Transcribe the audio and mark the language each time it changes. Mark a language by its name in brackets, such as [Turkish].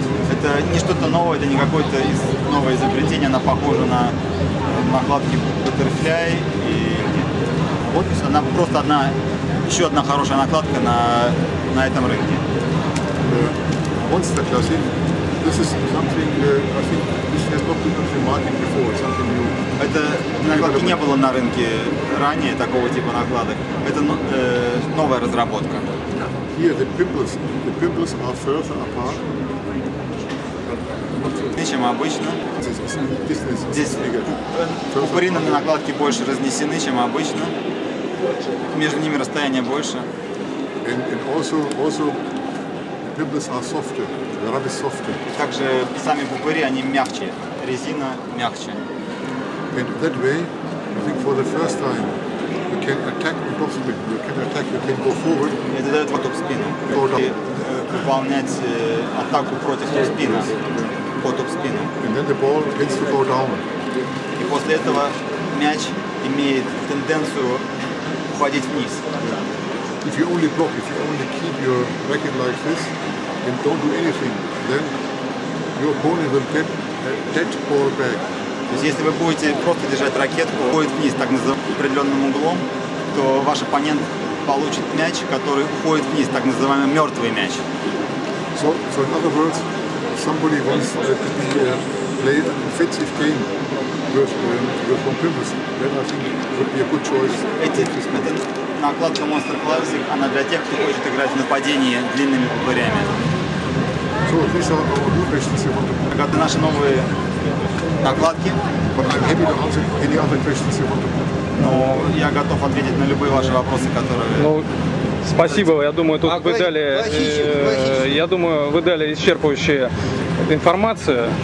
[Russian] Это не что-то новое, это не какое-то новое изобретение, она похожа на накладки Butterfly. И вот она просто одна, еще одна хорошая накладка на этом рынке. [English] Monster Classic. This is something I think this has not been on the market before, something new. [Russian] Это накладки не было на рынке ранее, такого типа накладок. Это новая разработка. [English] Here the pimples are further apart. [Russian] Чем обычно. Здесь пупыри на накладке больше разнесены, чем обычно. Между ними расстояние больше. [English] And also the pimples are softer. The rubber is softer. [Russian] Также сами пупыри, они мягче. Резина мягче. [English] And that way, I think for the first time. You can attack the top spin. You can attack. You can go forward. [Russian] Это дает по топ-спину. Выполнять атаку против топ-спина. По топ-спину. [English] And then the ball tends to go down. [Russian] И после этого мяч имеет тенденцию уходить вниз. [English] If you only block, if you only keep your racket like this and don't do anything, then your opponent will get a dead ball back. [Russian] То есть если вы будете просто держать ракетку, уходит вниз так называемым определенным углом, то ваш оппонент получит мяч, который уходит вниз, так называемый мертвый мяч. [English] So in other words, somebody wants to play an offensive game with one pimples, then I think it would be a good choice. [Russian] Эта накладка Monster Classic, она для тех, кто хочет играть в нападение длинными пупырями. [English] So these are our new questions you want to play. [Russian] Это наши новые накладки. [English] But I'm happy to answer any other questions you want to put. [Russian] Но я готов ответить на любые ваши вопросы, которые... Ну, спасибо, я думаю, тут вы дали... Я думаю, вы дали исчерпывающую информацию.